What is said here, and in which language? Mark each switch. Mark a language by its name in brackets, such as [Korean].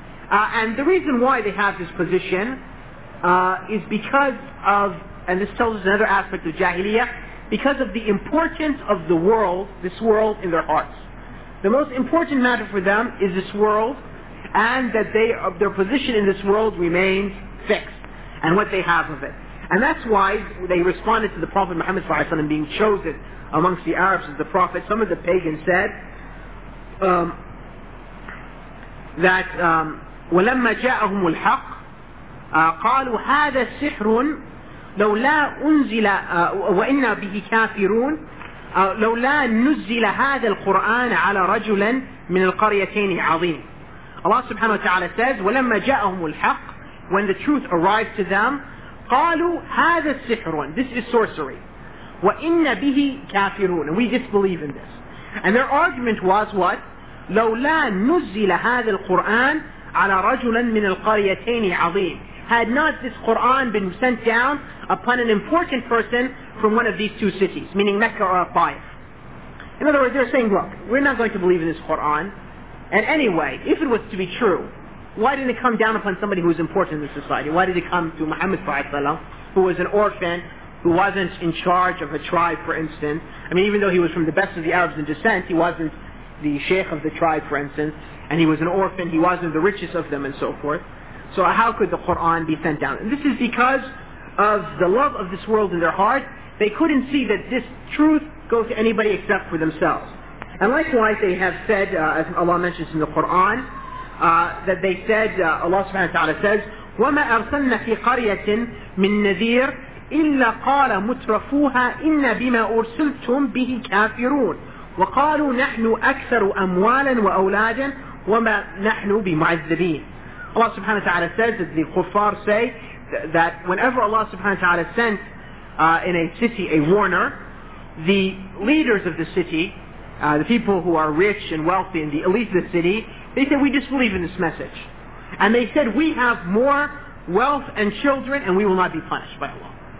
[English] And the reason why they have this position is because of, and this tells us another aspect of Jahiliyyah, because of the importance of the world, this world, in their hearts. The most important matter for them is this world, and that their position in this world remains fixed, and what they have of it. And that's why they responded to the Prophet Muhammad Sallallahu Alaihi Wasallam being chosen amongst the Arabs as the Prophet. Some of the pagans said that [Arabic] وَلَمَّا جَاءَهُمُ الْحَقِّ قَالُوا هَذَا سِحْرٌ لَوْ لَا أُنزِلَ وَإِنَّا بِهِ كَافِرُونَ لَوْ لَا نُزِّلَ هَذَا الْقُرْآنَ عَلَى رَجُلًا مِنَ الْقَرْيَتَيْنِ عَظِيمٌ. [English] Allah subhanahu wa ta'ala says, [Arabic] وَلَمَّا جَاءَهُمُ الْحَقِّ, [English] when the truth arrived to them, [Arabic] قَالُوا هَذَا السِّحْرٌ, [English] this is sorcery, [Arabic] وَإِنَّ بِهِ كَافِرُونَ, [English] and we disbelieve in this. And their argument was what? [Arabic] لَوْ لَا نُزِّلَ هَذَا الْقُرْآنَ عَلَى رَجُلًا مِنَ الْقَرْيَتَيْنِ عَظِيمٌ, [English] had not this Qur'an been sent down upon an important person from one of these two cities, meaning Mecca or Taif. In other words, they're saying, look, we're not going to believe in this Qur'an. And anyway, if it was to be true, why didn't it come down upon somebody who was important in the society? Why did it come to Muhammad Sallallahu Alaihi Wasallam, who was an orphan, who wasn't in charge of a tribe, for instance? I mean, even though he was from the best of the Arabs in descent, he wasn't the sheikh of the tribe, for instance, and he was an orphan, he wasn't the richest of them, and so forth. So how could the Qur'an be sent down? And this is because of the love of this world in their heart. They couldn't see that this truth goes to anybody except for themselves. And likewise, they have said, as Allah mentions in the Qur'an, that they said, Allah subhanahu wa ta'ala says, [Arabic] وَمَا أَرْسَلْنَا فِي قَرْيَةٍ مِّن نَذِيرٍ إِلَّا قَالَ مُتْرَفُوهَا إِنَّ بِمَا أُرْسِلْتُمْ بِهِ كَافِرُونَ وَقَالُوا نَحْنُ أَكْثَرُ أَمْوَالًا وَأَوْلَادًا وَمَا نَحْنُ بِمُعَذَّبِينَ. [English] Allah subhanahu wa ta'ala says that the kuffar say that whenever Allah subhanahu wa ta'ala sent in a city a warner, the leaders of the city, the people who are rich and wealthy and the elite of the city, they said, we disbelieve in this message. And they said, we have more wealth and children and we will not be punished by Allah.